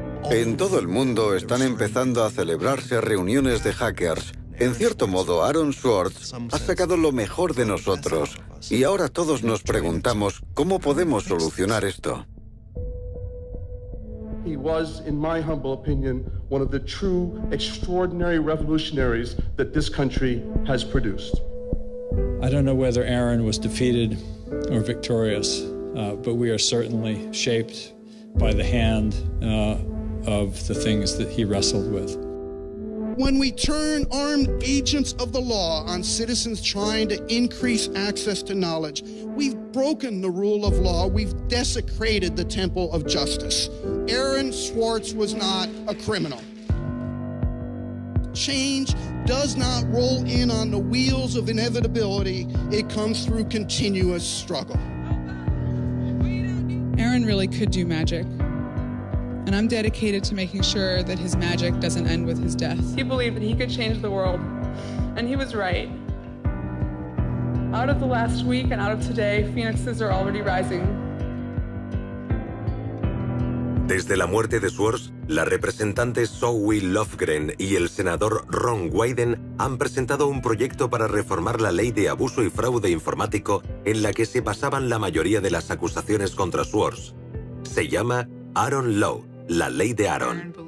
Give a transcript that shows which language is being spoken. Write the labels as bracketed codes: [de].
[es] En todo el mundo están empezando a celebrarse reuniones de hackers. En cierto modo, Aaron Swartz ha sacado lo mejor de nosotros. Y ahora todos nos preguntamos, ¿cómo podemos solucionar esto? [en] He was, in my humble opinion, one of the true extraordinary revolutionaries that this country has produced. I don't know whether Aaron was defeated or victorious, but we are certainly shaped by the hand of the things that he wrestled with. When we turn armed agents of the law on citizens trying to increase access to knowledge, we've broken the rule of law, we've desecrated the temple of justice. Aaron Swartz was not a criminal. change does not roll in on the wheels of inevitability. It comes through continuous struggle. Aaron really could do magic. And I'm dedicated to making sure that his magic doesn't end with his death. He believed that he could change the world. And he was right. Out of the last week and out of today, phoenixes are already rising. [es] Desde la muerte de Swords, la representante Zoe Lofgren y el senador Ron Wyden han presentado un proyecto para reformar la ley de abuso y fraude informático en la que se basaban la mayoría de las acusaciones contra Swords. Se llama Aaron Law, la ley de Aaron.